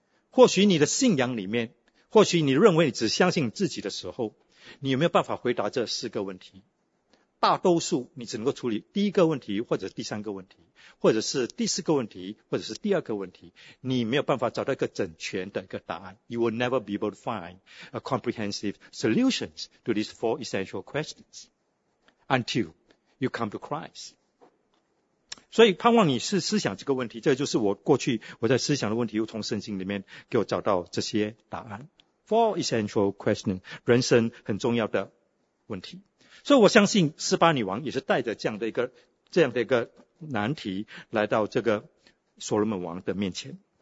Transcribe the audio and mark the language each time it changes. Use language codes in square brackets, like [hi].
[zh] 或许你的信仰里面，或许你认为你只相信自己的时候，你有没有办法回答这四个问题？大多数你只能够处理第一个问题，或者第三个问题，或者是第四个问题，或者是第二个问题，你没有办法找到一个整全的一个答案。 [en] You will never be able to find a comprehensive solutions to these four essential questions until you come to Christ. [zh] 所以盼望你是思想这个问题，这就是我过去我在思想的问题，又从圣经里面给我找到这些答案。 [en] Four essential questions, [zh] 人生很重要的问题。所以我相信示巴女王也是带着这样的一个难题来到这个所罗门王的面前。